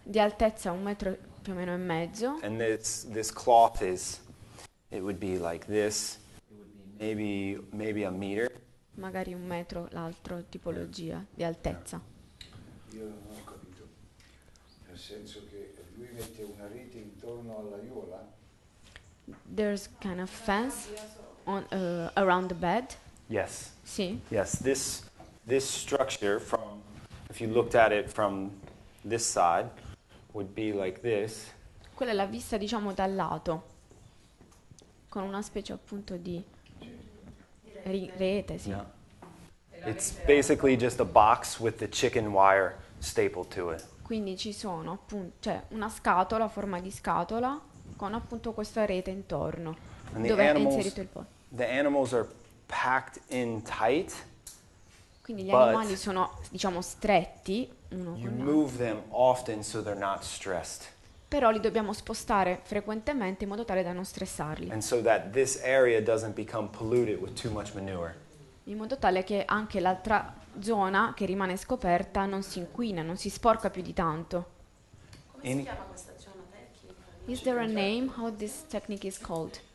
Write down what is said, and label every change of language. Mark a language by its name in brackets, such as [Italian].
[Italian] Di altezza un metro più o meno e mezzo. [English] And this cloth is, it would be like this. It would be maybe a meter. [Italian] Magari un metro l'altro tipologia di altezza. Io non ho capito. Nel senso che lui mette una rete intorno alla aiuola. [English] There's kind of fence on around the bed. Yes. [Italian] Sì. [English] Yes, this structure from. If you looked at it from this side, would be like this. [Italian] Quella è la vista, diciamo, dal lato, con una specie appunto di rete, sì. No. [English] It's basically just a box with the chicken wire stapled to it. [Italian] Quindi ci sono appunto, cioè una scatola, forma di scatola, con appunto questa rete intorno, dove è inserito il pollo. [English] The animals are packed in tight. [Italian] Quindi gli animali sono, diciamo, stretti uno con l'altro. [English] Move them often so they're not stressed. [Italian] Però li dobbiamo spostare frequentemente in modo tale da non stressarli. [English] And so that this area doesn't become polluted with too much manure. [Italian] In modo tale che anche l'altra zona che rimane scoperta non si inquina, non si sporca più di tanto. Come si chiama questa zona tecnica? [English] Is there a name how this technique is called?